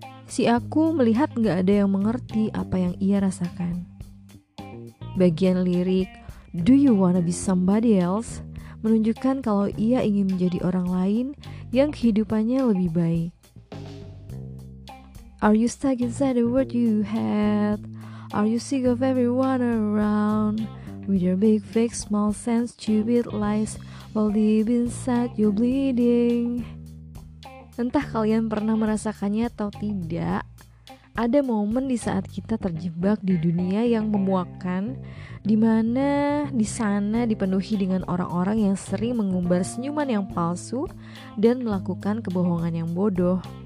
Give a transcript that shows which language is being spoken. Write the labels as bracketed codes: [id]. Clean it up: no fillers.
[id] Si aku melihat gak ada yang mengerti apa yang ia rasakan. Bagian lirik, [en] "Do you wanna be somebody else?" [id] menunjukkan kalau ia ingin menjadi orang lain yang kehidupannya lebih baik. [en] "Are you stuck inside the world you had? Are you sick of everyone around? With your big fake small sense stupid lies, while deep inside you're bleeding." [id] Entah kalian pernah merasakannya atau tidak, ada momen di saat kita terjebak di dunia yang memuakkan, di mana di sana dipenuhi dengan orang-orang yang sering mengumbar senyuman yang palsu dan melakukan kebohongan yang bodoh.